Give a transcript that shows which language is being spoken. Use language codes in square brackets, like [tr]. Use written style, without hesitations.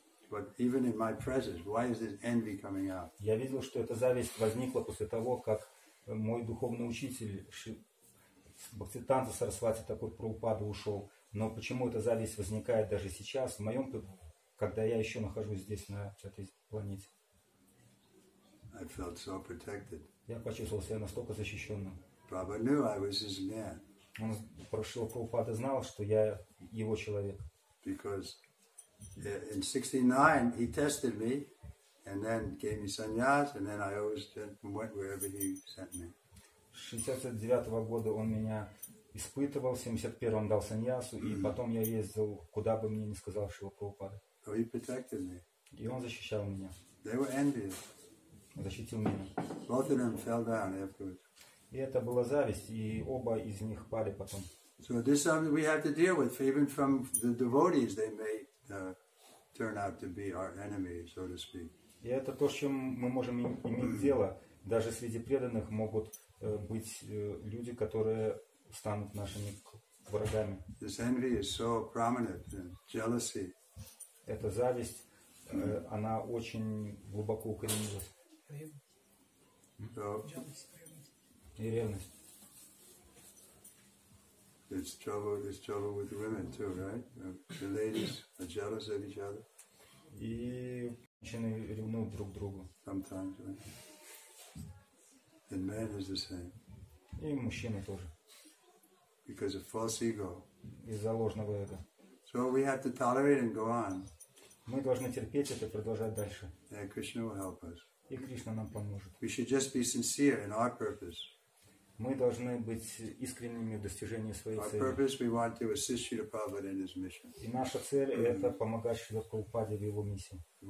[en] But even in my presence, why is this envy coming out? [ru] Я видел, что эта зависть возникла после того, как мой духовный учитель Бхактисиддханта Сарасвати такой Прабхупада ушел. Но почему эта зависть возникает даже сейчас, в моем, когда я еще нахожусь здесь, на этой планете? [en] I felt so protected. [ru] Я почувствовал себя настолько защищенным. [en] Prabhupada knew I was his man. [ru] Он прошел, Прабхупада знал, что я его человек. [en] Because in 69 he tested me, and then gave me sannyas, and then I always went wherever he sent me. [ru] 69 года он меня испытывал, 71 дал саньясу, и потом я ездил, куда бы мне ни сказал Шрила Прабхупада. [en] So he protected me. [ru] И он защищал меня. [en] They were envious. [ru] Защитил меня. [en] Both of them fell down afterwards. [ru] И это была зависть, и оба из них пали потом. [en] So this is something we have to deal with. Even from the devotees, they may turn out to be our enemies, so to speak. [ru] И это то, с чем мы можем иметь дело. Даже среди преданных могут быть люди, которые станут нашими врагами. [en] This envy is so prominent, jealousy. [ru] Эта зависть, она очень глубоко укоренилась. [en] So, [ru] и ревность. [en] There's trouble with women too, right? The ladies are jealous of each other. [ru] И мужчины ревнуют друг другу. [en] Sometimes, right? And men is the same. [ru] И мужчины тоже. [en] Because of false ego. [ru] Из-за ложного эго. [en] So we have to tolerate and go on. [ru] Мы должны терпеть это и продолжать дальше. [en] And Krishna will help us. [ru] И Кришна нам поможет. [en] We should just be sincere in our purpose. [ru] Мы должны быть искренними в достижении своей цели. И наша цель – это помогать Шрила Прабхупаде в его миссии.